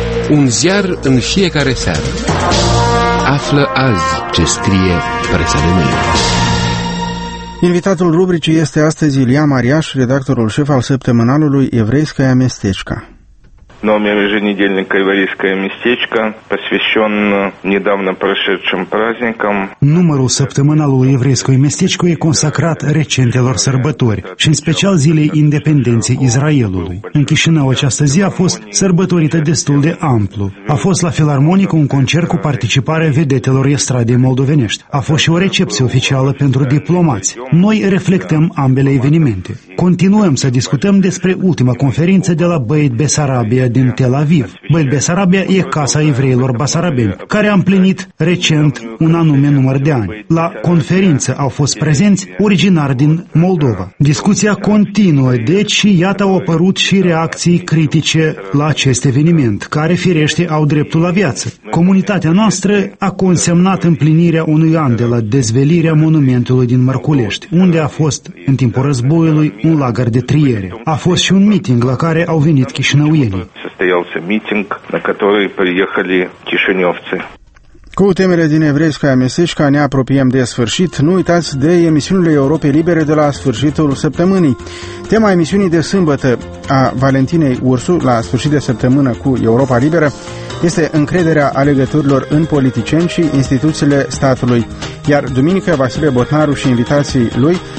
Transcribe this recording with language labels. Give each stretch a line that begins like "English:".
Romanian: Un ziar în fiecare seară. Află azi ce scrie presa de mâine. Invitatul rubricii este astăzi Ilia Mariaș, redactorul șef al săptămânalului Evreiskaya Mestechka.
Russian: Новый еженедельник «Еврейское местечко», посвящен недавно прошедшим праздникам.
Romanian: Numărul săptămânalului «Еврейское местечко» e consacrat recentelor sărbători și în special zilei independenței Israelului. În Chișinău această zi a fost sărbătorită destul de amplu. A fost la Filarmonică un concert cu participare vedetelor estradei moldovenești. A fost și o recepție oficială pentru diplomați. Noi reflectăm ambele evenimente. Continuăm să discutăm despre ultima conferință de la Beit Besarabia din Tel Aviv. Beit Besarabia e casa evreilor basarabeni, care a împlinit recent un anume număr de ani. La conferință au fost prezenți originari din Moldova. Discuția continuă, deci și iată au apărut și reacții critice la acest eveniment, care firește au dreptul la viață. Comunitatea noastră a consemnat împlinirea unui an de la dezvelirea monumentului din Mărculești, unde a fost, în timpul războiului, un lagăr de triere. A fost și un miting la care au venit chișinăuienii.
Russian: Состоялся митинг, на который приехали кишиневцы.
Romanian: Cu temele din Evreiskaya Mestechka ne apropiem de sfârșit. Nu uitați de emisiunile Europei Libere de la sfârșitul săptămânii. Tema emisiunii de sâmbătă a Valentinei Ursu la sfârșit de săptămână cu Europa Liberă este încrederea alegătorilor în politicieni și instituțiile statului. Iar duminică Vasile Botnaru și invitații lui